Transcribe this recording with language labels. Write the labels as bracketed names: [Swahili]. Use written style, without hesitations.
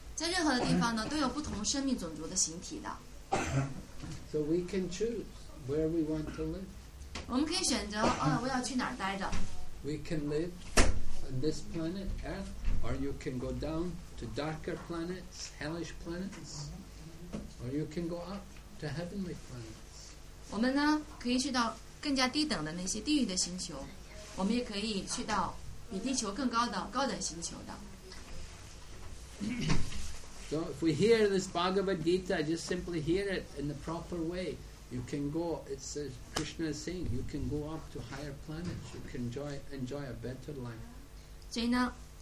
[Chinese] 在任何的地方呢，都有不同生命种族的形体的。So [English] we can choose where we want to live. [Chinese] 我们可以选择，我要去哪儿待着。We [English] can live on this planet, Earth, or you can go down to darker planets, hellish planets, or you can go up to heavenly planets. [Chinese] 我们呢，可以去到更加低等的那些地狱的星球，我们也可以去到比地球更高的高等星球的。So [English] if we hear this Bhagavad Gita, just simply hear it in the proper way, you can go, it's Krishna is saying, you can go up to higher planets, you can enjoy a better life.